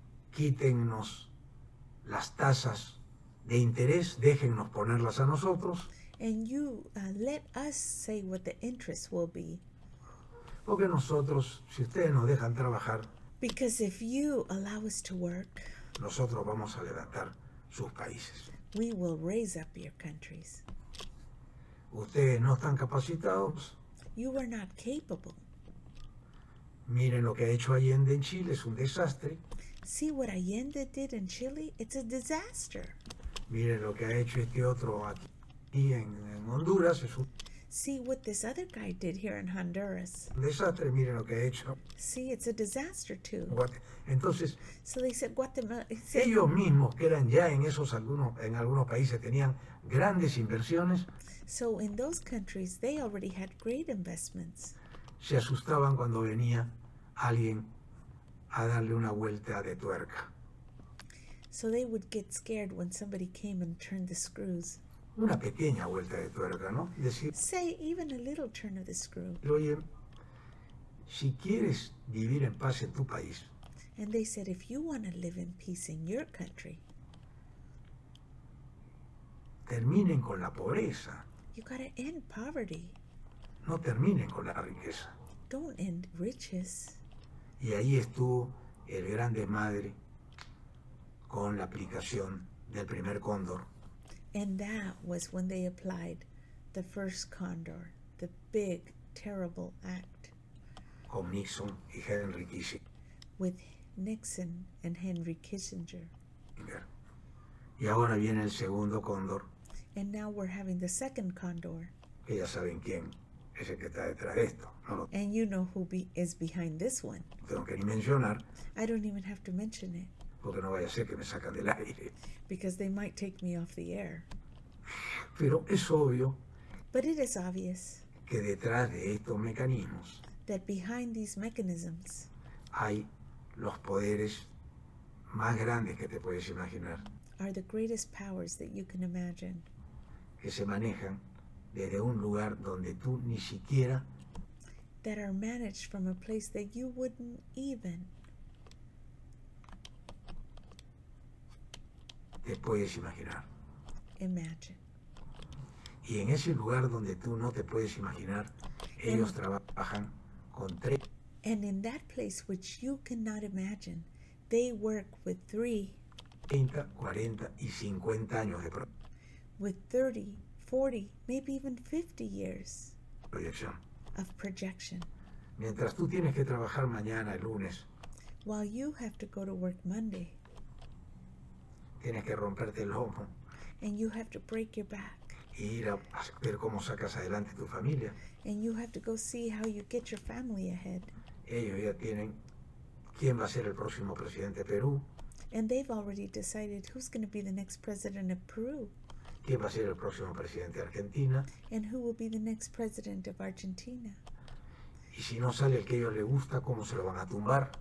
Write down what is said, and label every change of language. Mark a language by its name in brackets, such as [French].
[Spanish] quítennos las tasas de interés, déjennos ponerlas a nosotros, [English] and you let us say what the interest will be. [Spanish] Porque nosotros, si ustedes nos dejan trabajar, [English] because if you allow us to work, [Spanish] nosotros vamos a levantar sus países. [English] We will raise up your countries. [Spanish] Ustedes no están capacitados. [English] You are not capable. [Spanish] Miren lo que ha hecho Allende en Chile, es un desastre. [English] See what Allende did in Chile? It's a disaster. [Spanish] Miren lo que ha hecho este otro aquí en Honduras, es un [English] See what this other guy did here in Honduras. [Spanish] Desastre, miren lo que ha hecho. [English] See, it's a disaster too. [Spanish] Entonces, [English] so they said, Guatemala, [Spanish] ellos mismos que eran ya en esos algunos, en algunos países tenían grandes inversiones. [English] So in those countries they already had great investments. [Spanish] Se asustaban cuando venía alguien a darle una vuelta de tuerca. [English] So they would get scared when somebody came and turned the screws. [Spanish] Una pequeña vuelta de tuerca, ¿no? Decir, [English] say even a little turn of the screw. [Spanish] Oye, si quieres vivir en paz en tu país. [English] And they said, if you want to live in peace in your country, [Spanish] terminen con la pobreza. [English] You gotta end poverty. [Spanish] No terminen con la riqueza. [English] Don't end riches. [Spanish] Y ahí estuvo el grande madre con la aplicación del primer cóndor. [English] And that was when they applied the first condor, the big, terrible act. [Spanish] Con Nixon y Henry Kissinger. [English] With Nixon and Henry Kissinger. [Spanish] Y ahora viene el segundo cóndor. [English] And now we're having the second condor. [Spanish] Que ya saben quién es el que está detrás de esto. No lo... [English] And you know who is behind this one. [Spanish] No tengo que ni mencionar. [English] I don't even have to mention it. [Spanish] Porque no vaya a ser que me sacan del aire. [English] Because they might take me off the air. [Spanish] Pero es obvio. [English] But it is obvious. [Spanish] Que detrás de estos mecanismos. [English] That behind these mechanisms. [Spanish] Hay los poderes más grandes que te puedes imaginar. [English] Are the greatest powers that you can imagine. [Spanish] Que se manejan desde un lugar donde tú ni siquiera. [English] That are managed from a place that you wouldn't even. [Spanish] Te puedes imaginar. [English] Imagine. [Spanish] Y en ese lugar donde tú no te puedes imaginar, ellos trabajan con tres. [English] And in that place which you cannot imagine, they work with [Spanish] 30, 40 y 50 años de proyección. [English] With 30, 40, maybe even 50 years. [Spanish] Proyección. [English] Of projection. [Spanish] Mientras tú tienes que trabajar mañana, el lunes. [English] While you have to go to work Monday. [Spanish] Tienes que romperte el lomo. [English] And you have to break your back. [Spanish] Y ir a ver cómo sacas adelante tu familia. [English] And you have to go see how you get your family ahead. [Spanish] Ellos ya tienen quién va a ser el próximo presidente de Perú. [English] And they've already decided who's going to be the next president of Peru. [Spanish] Quién va a ser el próximo presidente de Argentina. [English] And who will be the next president of Argentina. [Spanish] Y si no sale el que a ellos les gusta, ¿cómo se lo van a tumbar?